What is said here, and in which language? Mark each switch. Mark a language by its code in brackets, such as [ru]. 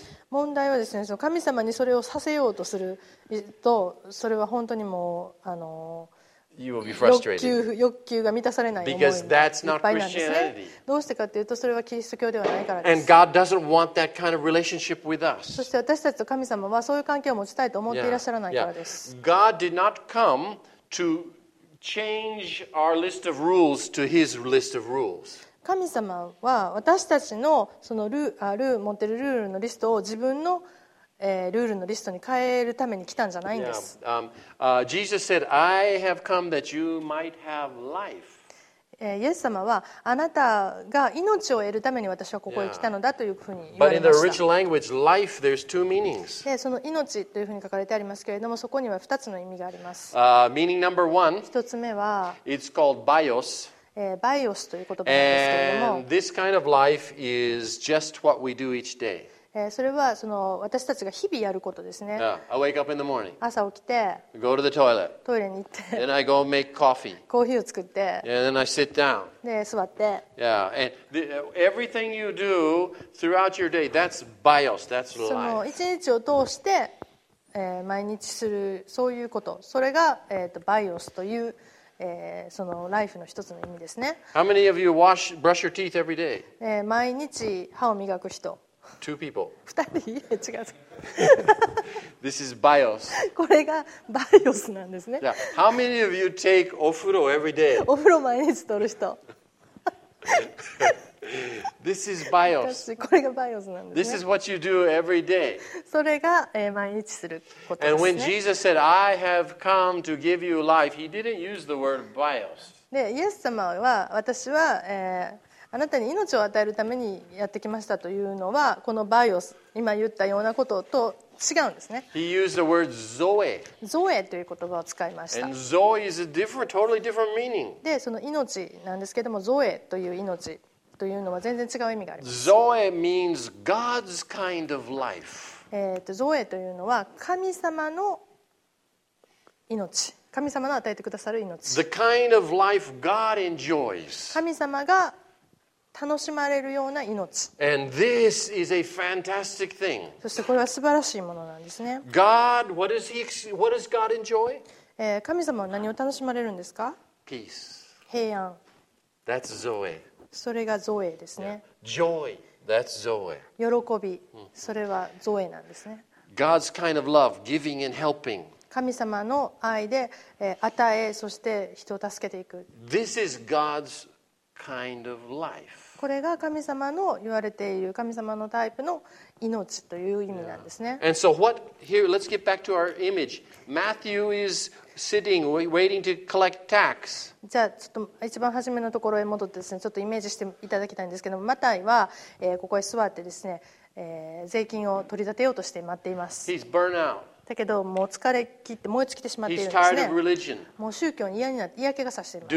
[ja] 問題はですね、その神様にそれをさせようとすると、それは本当にもう欲求が満たされない思いがいっぱいなんですね。どうしてかというと、それはキリスト教ではないからです。 [en] And God doesn't want that kind of relationship with us. [ja] そして私たちと神様はそういう関係を持ちたいと思っていらっしゃらないからです。 [en] Yeah. Yeah. God did not come to change our list of rules to his list of rules. [ja] 神様は私たちのそのルール、持ってるルールのリストを自分のルールのリストに変えるために来たんじゃないんです。 [en] Jesus said, I have come that you might have life. [ja] イエス様はあなたが命を得るために私はここへ来たのだというふうに言われました。 [en] But in the original language, life, there's two meanings. [ja] で、その命というふうに書かれてありますけれども、そこには二つの意味があります。 [en] Meaning number one. [ja] 一つ目は、 [en] it's called bios. [ja] バイオスという言葉なんですけれども、 [en] and this kind of life is just what we do each day. [ja] それはその私たちが日々やることですね。 [en] I wake up in the morning. [ja] 朝起きて、 [en] go to the toilet. [ja] トイレに行って、 [en] then I go make coffee. [ja] コーヒーを作って、 [en] and then I sit down. [ja] で座って、 [en] yeah, and everything you do throughout your day, that's bios, that's life. [ja] その一日を通して、毎日するそういうこと、それがバイオスという。そのライフの一つの意味ですね。 [en] How many of you wash, brush your teeth every day? [ja] 毎日歯を磨く人。 [en] Two people. [ja] 二人？違う。 [en] This is bios. [ja] これがバイオスなんですね。 [en] Yeah. How many of you take お風呂 every day? [ja] お風呂毎日取る人。 [en] This is bios. [ja] これがバイオスなんですね。 [en] This is what you do every day. [ja] それが、毎日することですね。 [en] And when Jesus said, I have come to give you life, he didn't use the word bios. [ja] で、イエス様は、私は、あなたに命を与えるためにやってきましたというのは、このバイオス、今言ったようなことと違うんですね。 [en] He used the word zoe. [ja] Zoe という言葉を使いました。 [en] And zoe is a different, totally different meaning. [ja] で、その命なんですけども、zoe という命。というのは全然違う意味があります。 [en] Zoe means God's kind of life. [ja] Zoe というのは神様の命、神様の与えてくださる命。 [en] The kind of life God enjoys. [ja] 神様が楽しまれるような命。 [en] And this is a fantastic thing. [ja] そしてこれは素晴らしいものなんですね。 [en] God, what does God enjoy? [ja] 神様は何を楽しまれるんですか? [en] Peace. [ja] 平安。 [en] That's Zoe. [ja] それがゾエですね。 [en] Joy. That's Zoe. [ja] 喜び。それはゾエなんですね。 [en] God's kind of love, giving and helping. [ja] 神様の愛で与え、そして人を助けていく。 [en] This is God's kind of life. [ja] これが神様の言われている神様のタイプの命という意味なんですね。 [en] And so what, here, let's get back to our image. Matthew is sitting, waiting to collect tax. [ja] じゃあ、ちょっと一番初めのところへ戻ってですね、ちょっとイメージしていただきたいんですけども、マタイはここへ座ってですね、税金を取り立てようとして待っています。 He's burnt out. だけどもう疲れ切って燃え尽きてしまっているんですね。もう宗教に嫌になって嫌気がさしています。